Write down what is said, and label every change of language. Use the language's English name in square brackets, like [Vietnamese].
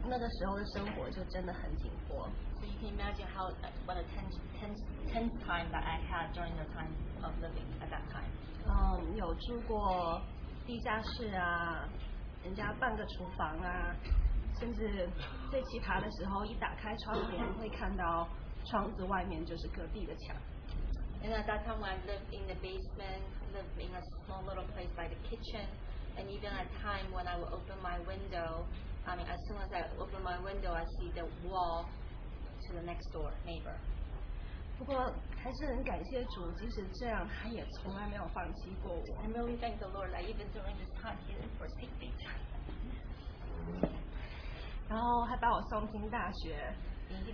[Chinese] 对，可想而知，那个时候的生活就真的很紧迫。 [English] So you can imagine how what a tense time that I had during the time of living at that time. [Chinese] 有住过。地下室啊，人家半个厨房啊，甚至最奇葩的时候，一打开窗帘，会看到窗子外面就是隔壁的墙。 [English] And at that time, when I lived in the basement, lived in a small little place by the kitchen, and even at time when I would open my window, I mean, as soon as I open my window, I see the wall to the next door neighbor. [Chinese] 不过还是很感谢主，即使这样，他也从来没有放弃过我。 [English] I'm really thank the Lord that even during this time he didn't forsake me. [Chinese] 然后还把我送进大学。 [English] He